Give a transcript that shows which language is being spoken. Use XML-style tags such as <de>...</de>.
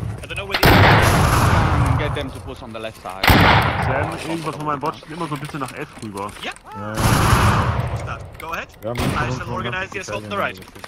<en>Get them to push on the left side.</en> <de>Sam, irgendwas von meinem Bot steht immer so ein bisschen nach F rüber.</de> <en>Ja. Go ahead.</en> <de>Ja,</de> <en>I shall organize the assault on the right.</en>